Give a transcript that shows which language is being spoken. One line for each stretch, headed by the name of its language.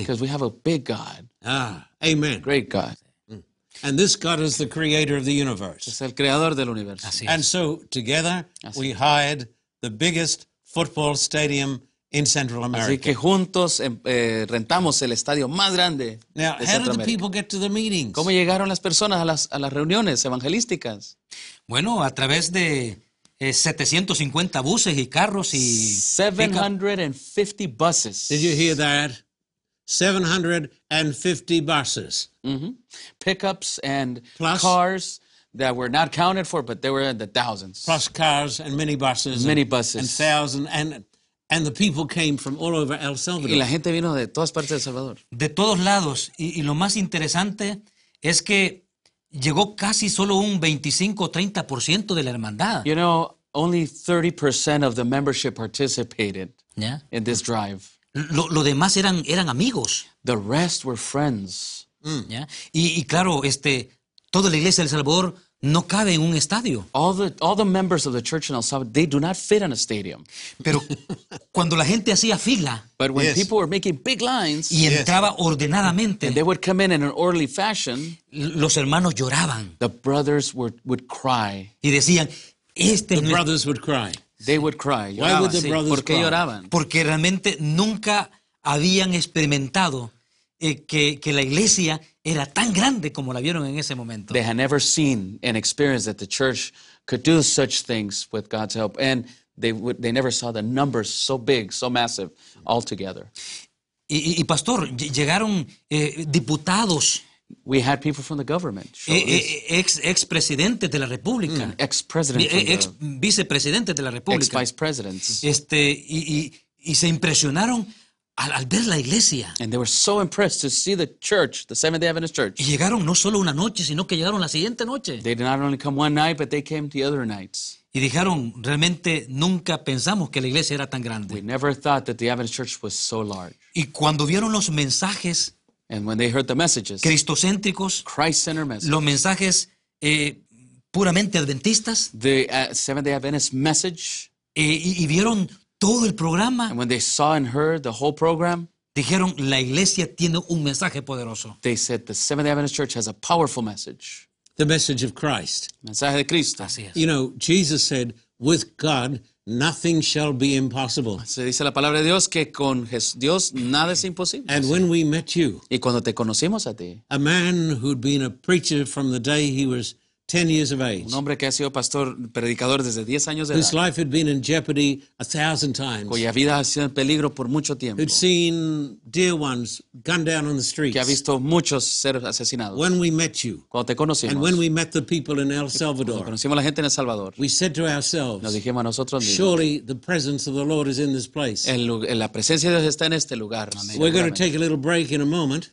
English: Because we have a big God. Ah, amen. Great God. And this God is the creator of the universe.
Spanish: Es el creador del universo.
English: And so together we hired the biggest football stadium in Central America.
Spanish: Así que juntos rentamos el estadio más grande
English: Now,
Spanish: de Centroamérica.
English: How did the people get to the meetings?
Spanish: ¿Cómo llegaron las personas a las reuniones evangelísticas? Bueno, a través de 750 buses y carros y
English: 750 buses. Did you hear that? 750 buses. Mm-hmm. Pickups and plus, cars that were not counted for, but they were in the thousands. Plus cars and mini buses. And thousands. And the people came from all over El Salvador.
Spanish: Y la gente vino de todas partes de El Salvador. De todos lados. Y lo más interesante es que llegó casi solo un 25-30% de la hermandad.
English: You know, only 30% of the membership participated in this drive.
Spanish: Lo demás eran amigos.
English: The rest were friends. Mm. Yeah.
Spanish: Y claro, toda la iglesia de El Salvador no cabe en un estadio.
English: All the members of the church in El Salvador, they do not fit in a stadium.
Spanish: Pero cuando la gente hacía fila,
English: but when people were making big lines,
Spanish: y entraba ordenadamente,
English: and they would come in an orderly fashion,
Spanish: los hermanos lloraban.
English: The brothers would cry.
Spanish: Y decían,
English: brothers would cry. They would cry. Why would the brothers
Spanish: ¿Por qué
English: cry?
Spanish: Lloraban? Porque realmente nunca habían experimentado que la iglesia era tan grande como la vieron en ese momento.
English: They had never seen and experienced that the church could do such things with God's help, and they never saw the numbers so big, so massive, all together.
Spanish: Y pastor, llegaron diputados.
English: We had people from the government.
Spanish: Ex presidente de la República. Mm,
English: ex president.
Spanish: Ex vicepresidente de la República.
English: Ex vice presidents.
Spanish: Y se impresionaron al ver la iglesia.
English: And they were so impressed to see the church, the Seventh-day Adventist Church.
Spanish: Y llegaron no solo una noche, sino que llegaron la siguiente noche.
English: They did not only come one night, but they came the other nights.
Spanish: Y dijeron, realmente nunca pensamos que la iglesia era tan grande.
English: We never thought that the Adventist Church was so large.
Spanish: Y cuando vieron los mensajes.
English: And when they heard the messages.
Spanish: Cristocéntricos.
English: Christ-centered messages.
Spanish: Los mensajes puramente adventistas.
English: The Seventh-day Adventist message.
Spanish: Y vieron todo el programa.
English: And when they saw and heard the whole program.
Spanish: Dijeron, la iglesia tiene un mensaje poderoso.
English: They said, the Seventh-day Adventist Church has a powerful message. The message of Christ.
Spanish: Mensaje de Cristo. Así es.
English: You know, Jesus said, with God, nothing shall be impossible.
Spanish: Se dice la palabra de Dios que con Dios nada es imposible.
English: And when we met you.
Spanish: Y cuando te conocimos a ti.
English: A man who'd been a preacher from the day he was 10 years of age.
Spanish: Un hombre que ha sido pastor predicador desde 10 años de
English: whose Whose life had been in jeopardy 1,000 times.
Spanish: Cuya vida ha sido en peligro por mucho tiempo.
English: Who'd seen dear ones gunned down on the streets.
Spanish: Que ha visto muchos ser asesinados.
English: When we met you.
Spanish: Cuando te conocimos.
English: And when we met the people in El Salvador.
Spanish: Cuando conocimos la gente en El Salvador.
English: We said to ourselves.
Spanish: Nos dijimos a nosotros mismos.
English: Surely the presence of the Lord is in this place.
Spanish: La presencia de Dios está en este lugar.
English: So we're going to take a little break in a moment.